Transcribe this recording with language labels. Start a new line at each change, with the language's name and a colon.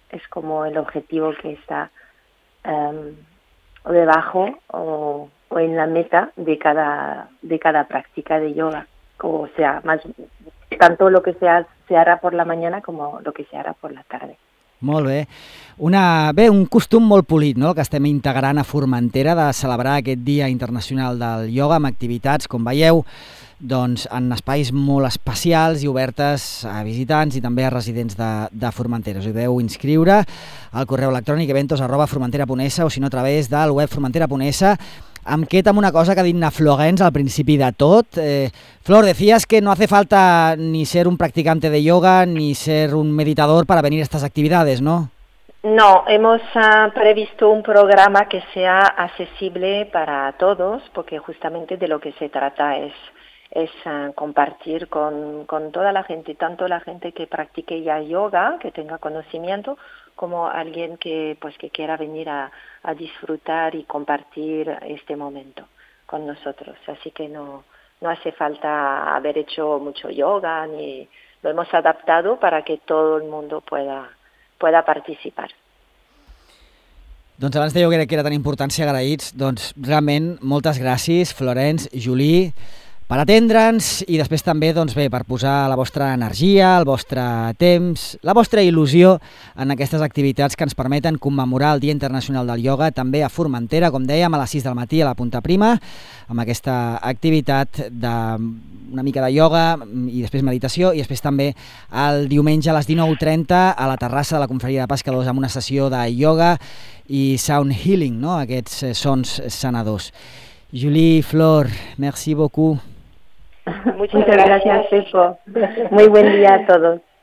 Spanish: Es como el objetivo que está debajo o en la meta de cada práctica de yoga. O sea, más tanto lo que se hará por la mañana como lo que se hará por la tarde.
Catalan: Molt bé. Bé, un costum molt polit, no?, el que estem integrant a Formentera, de celebrar aquest Dia Internacional del Ioga amb activitats, com veieu, doncs en espais molt especials i obertes a visitants i també a residents de Formentera. Us podeu inscriure al correu electrònic eventos@formentera.es o si no a través del web formentera.es. Em queda amb una cosa que ha dit na Flor Gens al principi de tot.
Spanish: Flor, decías que no hace falta ni ser un practicante de yoga ni ser un meditador para venir a estas actividades, ¿no? No, hemos previsto un programa que sea accesible para todos, porque justamente de lo que se trata es compartir con toda la gente, tanto la gente que practique ya yoga, que tenga conocimiento, como alguien que pues que quiera venir a disfrutar y compartir este momento con nosotros. Así que no hace falta haber hecho mucho yoga, ni lo hemos adaptado para que todo el mundo pueda participar.
Catalan: Doncs abans deia que era tan important ser agraïts, doncs realment moltes gràcies, Florence, Juli, per atendre'ns i després també doncs bé, per posar la vostra energia, el vostre temps, la vostra il·lusió en aquestes activitats que ens permeten commemorar el Dia Internacional del Ioga també a Formentera, com dèiem, a les 6 del matí a la Punta Prima, amb aquesta activitat d'una mica de ioga i després meditació i després també el diumenge a les 19:30 a la terrassa de la Confraria de Pescadors amb una sessió de ioga i sound healing, no?, aquests sons sanadors.
French: Juli, Flor, merci beaucoup.
Spanish: Muchas gracias, Pepo. Muy buen día a todos.